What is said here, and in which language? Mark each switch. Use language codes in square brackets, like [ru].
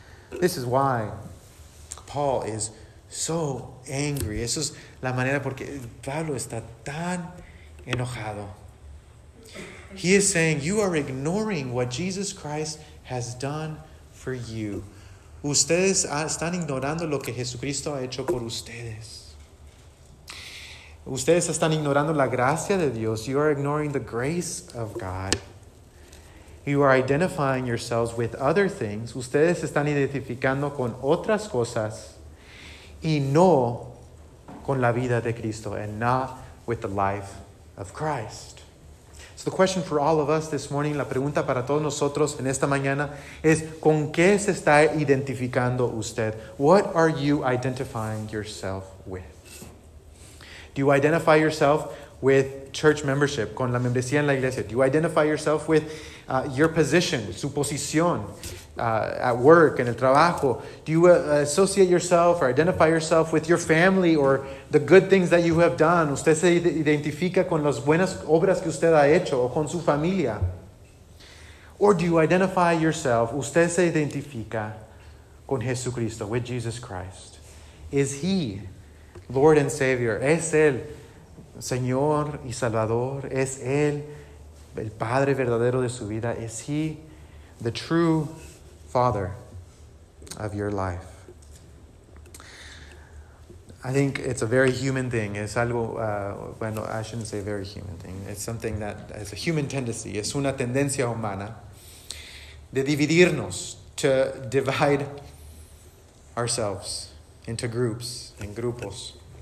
[en] This is why Paul is so angry. [es] Eso es la manera porque Pablo está tan enojado. [en] He is saying, you are ignoring what Jesus Christ has done for you. [es] Ustedes están ignorando lo que Jesucristo ha hecho por ustedes. Ustedes están ignorando la gracia de Dios. [en] You are ignoring the grace of God. You are identifying yourselves with other things. [es] Ustedes están identificando con otras cosas y no con la vida de Cristo, [en] and not with the life of Christ. So the question for all of us this morning, [es] la pregunta para todos nosotros en esta mañana es, ¿con qué se está identificando usted? [en] What are you identifying yourself with? Do you identify yourself with church membership, [es] con la membresía en la iglesia? [en] Do you identify yourself with your position, [es] su posición [en] at work, [es] en el trabajo? [en] Do you associate yourself or identify yourself with your family or the good things that you have done? [es] ¿Usted se identifica con las buenas obras que usted ha hecho o con su familia? [en] Or do you identify yourself, [es] usted se identifica con Jesucristo, [en] with Jesus Christ? Is he Lord and Savior? [es] ¿Es él Señor y Salvador? ¿Es él el Padre verdadero de su vida? ¿Es he [en] the true Father of your life? I think it's a very human thing. [es] Es algo, bueno, [en] I shouldn't say very human thing. It's something that is a human tendency. [es] Es una tendencia humana de dividirnos, [en] to divide ourselves into groups, [es] en grupos.